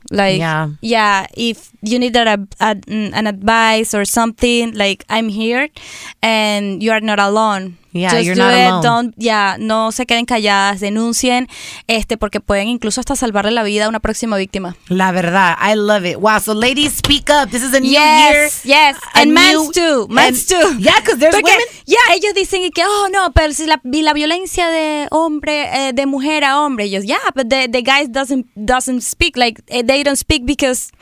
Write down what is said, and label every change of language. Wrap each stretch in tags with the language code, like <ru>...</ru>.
<en>Like, yeah, if you need an advice or something, like, I'm here and you are not alone. Yeah, just you're not alone.</en> <es>No se queden calladas, denuncien, porque pueden incluso hasta salvarle la vida a una próxima víctima. La verdad,</es> <en>I love it. Wow, so ladies, speak up. This is a new year. Yes, yes, and men too. Yeah, because there's</en> <es>porque,</es> <en>women.</en> <es>Yeah, ellos dicen que, oh no, pero si la violencia de hombre, de mujer a hombre.</es> <en>Ellos, yeah, but the guys doesn't speak, like, they don't speak because...</en>